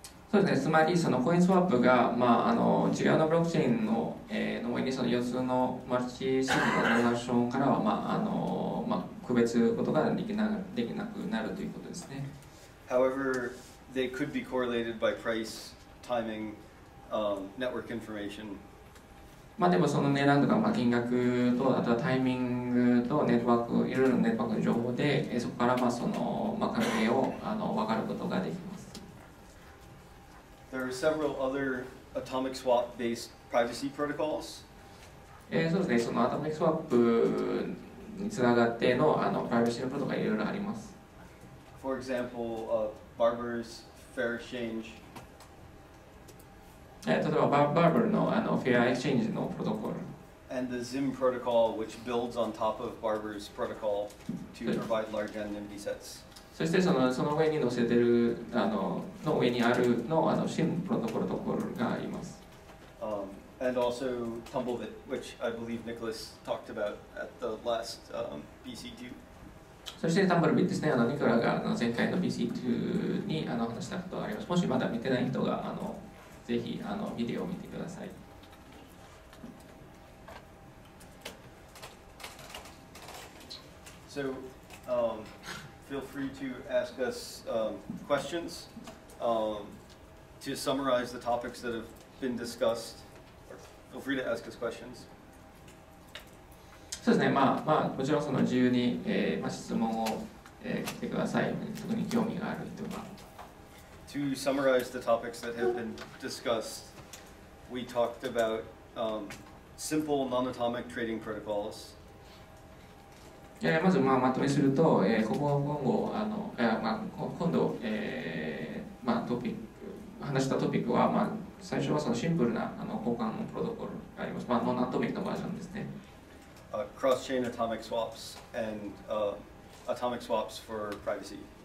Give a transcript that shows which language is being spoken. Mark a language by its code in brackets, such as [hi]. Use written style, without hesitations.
[ja] そうですね、つまりそのコインスワップが、まあ、あの違うのブロックチェーン の上にその4つのマルチシグのトランザクションからは、まああのまあ、区別することができなくなるということですね。 [en] However, they could be correlated by price, timing, network information. [ja] まあでもその値段とか、まあ、金額とあとはタイミングとネットワーク、いろいろなネットワークの情報で、そこからまあその、まあ、関係をあの分かることができます。 [en] There are several other atomic swap based privacy protocols. [ja] そうですね、そのアトミックスワップにつながってのあのプライバシーのプロトコルがいろいろあります。 [en] For example, Barber's Fair Exchange. [ja] 例えば、Barber のあの Fair Exchange のプロトコル。 [en] And the ZIM protocol, which builds on top of Barber's protocol to provide large anonymity sets. [ja] そしてその上に載せてるあ の, の上にあるのあの新プロトコルがあります。 [en] And also Tumblebit, which I believe Nicolas talked about at the last BC2. [ja] そして Tumblebit ですね。あのニコラが前回の BC2 にあの話したことがあります。もしまだ見てない人があのぜひあのビデオを見てください。 [en] So, feel free to ask us questions to summarize the topics that have been discussed. Feel free to ask us questions. [ja] そうですね。まあまあもちろんその自由に、まあ、質問を、来てください。特に興味がある人は。 [en] To summarize the topics that have been discussed, we talked about simple non-atomic trading protocols. [ja] まず、まあ、まとめすると、ここは今後あの、まあ、今度、まあ、トピック話したトピックは、まあ、最初はそのシンプルなあの交換のプロトコルがあります。まあ、ノンアトミックのバージョンですね。 [en] Cross-chain atomic swaps and atomic swaps for privacy.